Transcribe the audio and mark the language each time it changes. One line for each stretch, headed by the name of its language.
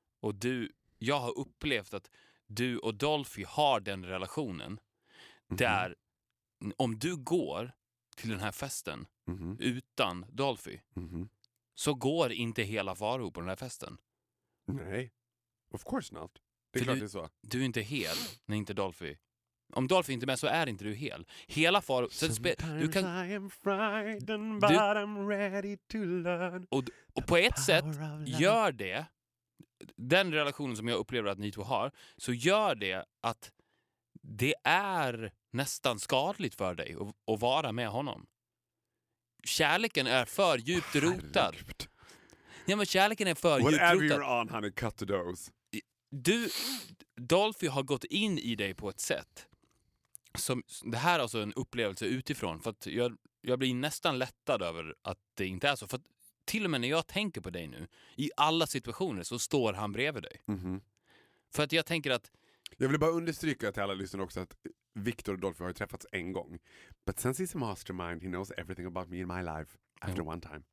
Swedish: Och jag har upplevt att du och Dolphy har den relationen, mm-hmm, där om du går till den här festen, mm-hmm, utan Dolphy, mm-hmm, så går inte hela Faro på den här festen. Nej.
English: Of course not.
Swedish: Det är klart det är så. Du är inte hel när inte Dolphy. Om Dolphy inte är med så är inte du hel. Hela Faro...
English: Sometimes
Swedish: du kan,
English: I am frightened but I'm ready to learn.
Swedish: Och på ett sätt gör det den relationen som jag upplever att ni två har, så gör det att det är nästan skadligt för dig att vara med honom. Kärleken är för djupt rotad. Ja, men kärleken är för djupt rotad.
English: Whatever you're on, honey, cut the dough.
Swedish: Du, Dolphy har gått in i dig på ett sätt som, det här är alltså en upplevelse utifrån, för att jag blir nästan lättad över att det inte är så, för att till och med när jag tänker på dig nu, i alla situationer så står han bredvid dig. Mm-hmm. För att jag tänker att... Jag vill bara understryka till alla lyssnare också att Victor och Dolphy har träffats en gång.
English: But since he's a mastermind, he knows everything about me in my life after one time.